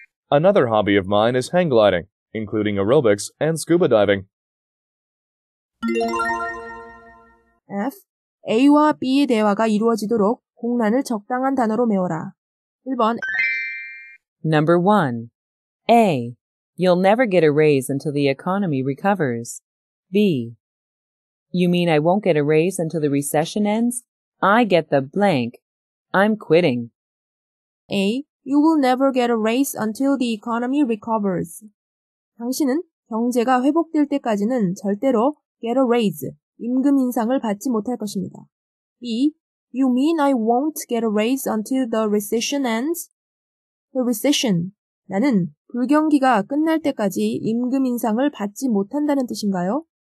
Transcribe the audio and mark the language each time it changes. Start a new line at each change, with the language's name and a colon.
English: Another hobby of mine is hang gliding, including aerobics and scuba diving. F.
Korean: A와 B의 대화가 이루어지도록 공란을 적당한 단어로 메워라. 1번
English: Number 1. A. You'll never get a raise until the economy recovers. B. You mean I won't get a raise until the recession ends? I get the blank. I'm quitting. A. You will never get a raise until the economy recovers.
Korean: 당신은 경제가 회복될 때까지는 절대로
English: get a raise,
Korean: 임금 인상을 받지 못할 것입니다. B.
English: You mean I won't get a raise until the recession ends? The recession.
Korean: 나는 불경기가 끝날 때까지 임금 인상을 받지 못한다는 뜻인가요?